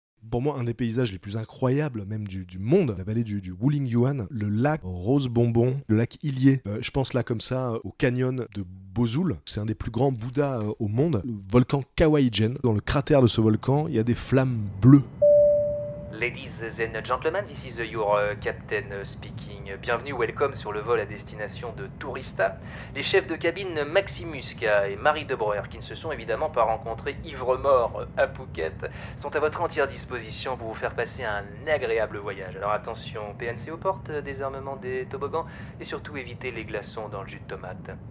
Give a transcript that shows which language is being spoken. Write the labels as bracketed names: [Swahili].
[French] Pour moi, un des paysages les plus incroyables même du monde, la vallée du Wuling Yuan, le lac Rose Bonbon, le lac Ilié. Je pense là comme ça au canyon de Bozoul. C'est un des plus grands Bouddhas au monde. Le volcan Kawaijen. Dans le cratère de ce volcan, il y a des flammes bleues. [English] Ladies and gentlemen, this is your captain speaking. [French] Bienvenue, welcome sur le vol à destination de Tourista. Les chefs de cabine Maximuska et Marie De Breuer, qui ne se sont évidemment pas rencontrés ivre-mort à Phuket, sont à votre entière disposition pour vous faire passer un agréable voyage. Alors attention, PNC aux portes, désarmement des toboggans, et surtout évitez les glaçons dans le jus de tomate.